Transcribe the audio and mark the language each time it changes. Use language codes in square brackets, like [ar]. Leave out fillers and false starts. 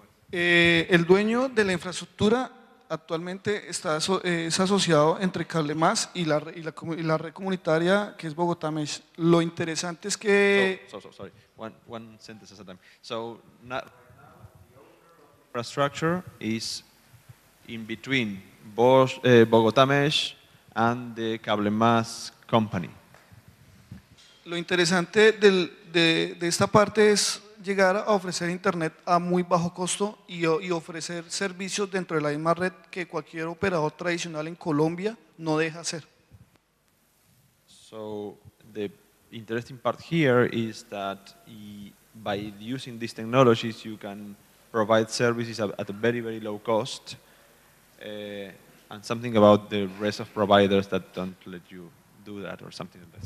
[es] El dueño de la infraestructura actualmente está es asociado entre Cable Más y la red comunitaria que es Bogotá Mesh. Lo interesante es que [en] sorry. One sentence at a time. So not infrastructure is in between Bogotá Mesh and the Cable Más company. [es] Lo interesante de esta parte es llegar a ofrecer internet a muy bajo costo y ofrecer servicios dentro de la misma red que cualquier operador tradicional en Colombia no deja hacer. [en] So the interesting part here is that by using these technologies you can provide services at a very, very low cost and something about the rest of providers that don't let you do that or something like that.